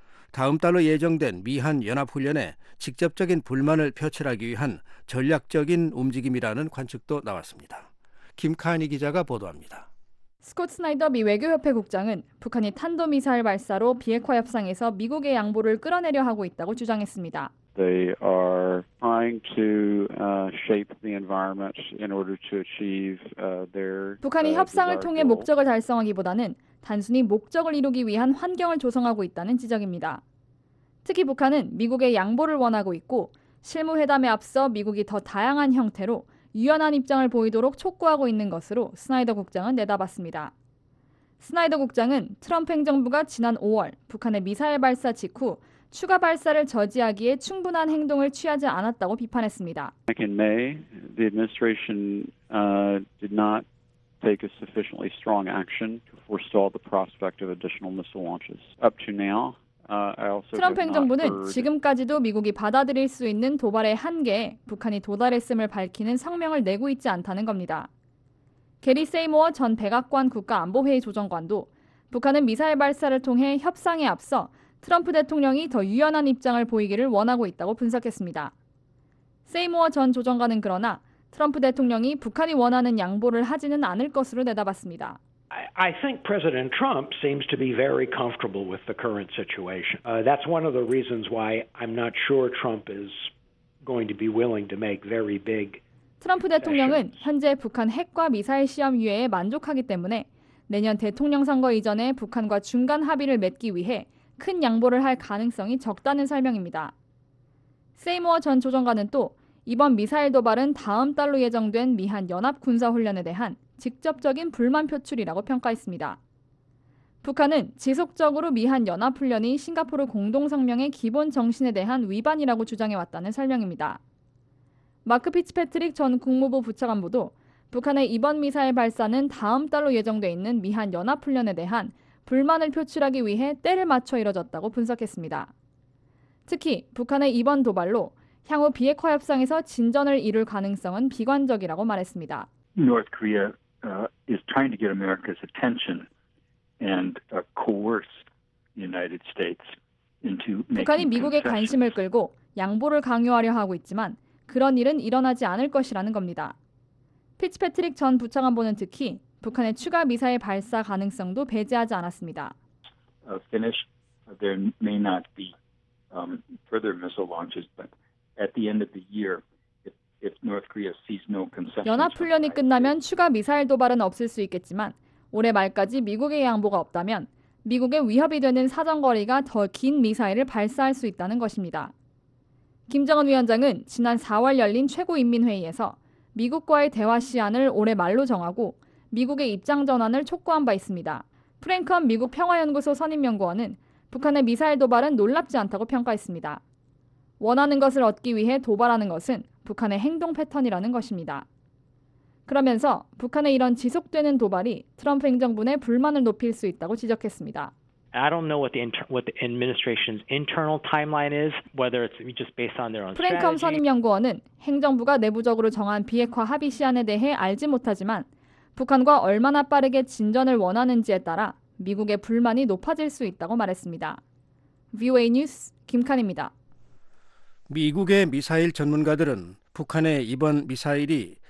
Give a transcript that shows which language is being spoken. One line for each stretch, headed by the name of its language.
Korean: 다음 달로 예정된 미한연합훈련에 직접적인 불만을 표출하기 위한 전략적인 움직임이라는 관측도 나왔습니다. 김카니 기자가 보도합니다. 스콧 스나이더 미 외교협회 국장은 북한이 탄도미사일 발사로 비핵화 협상에서 미국의 양보를 끌어내려 하고 있다고 주장했습니다.
English: They are trying to shape the environment in order to achieve their
Korean: 북한이 협상을 통해 목적을 달성하기보다는 단순히 목적을 이루기 위한 환경을 조성하고 있다는 지적입니다. 특히 북한은 미국의 양보를 원하고 있고 실무 회담에 앞서 미국이 더 다양한 형태로 유연한 입장을 보이도록 촉구하고 있는 것으로 스나이더 국장은 내다봤습니다. 스나이더 국장은 트럼프 행정부가 지난 5월 북한의 미사일 발사 직후 추가 발사를 저지하기에 충분한 행동을 취하지 않았다고 비판했습니다.
English: Back in May, the administration did not take a sufficiently strong action to forestall the prospect of additional missile launches. Up to now,
Korean: 트럼프 행정부는 지금까지도 미국이 받아들일 수 있는 도발의 한계에 북한이 도달했음을 밝히는 성명을 내고 있지 않다는 겁니다. 게리 세이모어 전 백악관 국가안보회의 조정관도 북한은 미사일 발사를 통해 협상에 앞서 트럼프 대통령이 더 유연한 입장을 보이기를 원하고 있다고 분석했습니다. 세이모어 전 조정관은 그러나 트럼프 대통령이 북한이 원하는 양보를 하지는 않을 것으로 내다봤습니다.
English: I think President Trump seems to be very comfortable with the current situation. That's one of the reasons why I'm not sure Trump is going to be willing to make very big.
Korean: 트럼프 대통령은 현재 북한 핵과 미사일 시험 유예에 만족하기 때문에 내년 대통령 선거 이전에 북한과 중간 합의를 맺기 위해 큰 양보를 할 가능성이 적다는 설명입니다. 세이모어 전 조정관은 또 이번 미사일 도발은 다음 달로 예정된 미한 연합 군사 훈련에 대한 직접적인 불만 표출이라고 평가했습니다. 북한은 지속적으로 미한 연합 훈련이 싱가포르 공동 성명의 기본 정신에 대한 위반이라고 주장해 왔다는 설명입니다. 마크 피츠패트릭 전 국무부 부차관보도 북한의 이번 미사일 발사는 다음 달로 예정돼 있는 미한 연합 훈련에 대한 불만을 표출하기 위해 때를 맞춰 이뤄졌다고 분석했습니다. 특히 북한의 이번 도발로 향후 비핵화 협상에서 진전을 이룰 가능성은 비관적이라고 말했습니다.
English: North Korea is trying to get America's attention and coerce the United States into making
Korean: 북한이 미국의 관심을 끌고 양보를 강요하려 하고 있지만 그런 일은 일어나지 않을 것이라는 겁니다. 피츠패트릭 전 부차관보는 특히 북한의 추가 미사일 발사 가능성도 배제하지 않았습니다.
English: Finish there may not be further missile launches but at the end of the year if North Korea sees no concessions
Korean: 연합 훈련이 끝나면 추가 미사일 도발은 없을 수 있겠지만 올해 말까지 미국의 양보가 없다면 미국의 위협이 되는 사정거리가 더 긴 미사일을 발사할 수 있다는 것입니다. 김정은 위원장은 지난 4월 열린 최고인민회의에서 미국과의 대화 시안을 올해 말로 정하고 미국의 입장 전환을 촉구한 바 있습니다. 프랭크헌 미국 평화연구소 선임연구원은 북한의 미사일 도발은 놀랍지 않다고 평가했습니다. 원하는 것을 얻기 위해 도발하는 것은 북한의 행동 패턴이라는 것입니다. 그러면서 북한의 이런 지속되는 도발이 트럼프 행정부 내 불만을 높일 수 있다고 지적했습니다.
English: I don't know what the administration's internal timeline is, whether it's just based on their own.
Korean: 프랭크헌 선임연구원은 행정부가 내부적으로 정한 비핵화 합의 시안에 대해 알지 못하지만 북한과 얼마나 빠르게 진전을 원하는지에 따라 미국의 불만이 높아질 수 있다고 말했습니다. VOA 뉴스 김칸입니다. 미국의 미사일 전문가들은 북한의 이번 미사일이